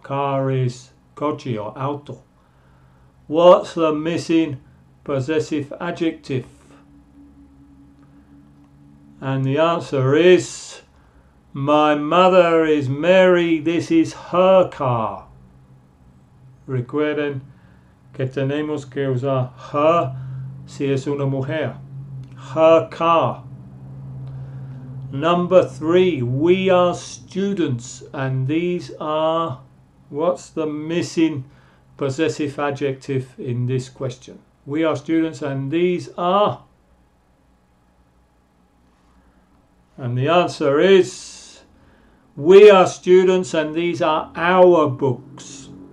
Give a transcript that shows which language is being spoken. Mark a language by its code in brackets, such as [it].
[en] Car is coche or auto. What's the missing possessive adjective? And the answer is, my mother is Mary, this is her car. [es] Recuerden que tenemos que usar her si es una mujer. [en] Her car. Number three, we are students, and these are, what's the missing possessive adjective in this question? We are students, and these are, and the answer is, we are students, and these are our books.